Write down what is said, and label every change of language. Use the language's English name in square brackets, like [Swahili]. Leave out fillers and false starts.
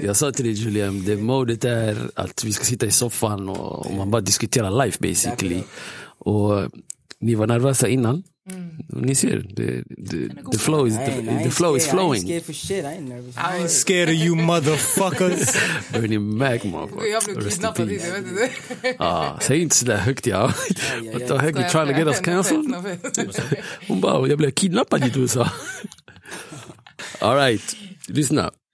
[Swedish] Jag sa till dig, Julian, det modet är att vi ska sitta i soffan och man bara diskuterar [English] life basically. [Swedish] Och ni var nervösa innan. Ni ser, [English] the flow is flowing. I ain't scared of you motherfuckers. Bernie Magma. [Swedish] Jag blev kidnappad i det, vet du. Säg inte sådär högt, ja. [English] What the heck, you trying to get us canceled? [Swedish] Hon bara, jag blev kidnappad i det, så. [English] All right, [Swedish] lyssna.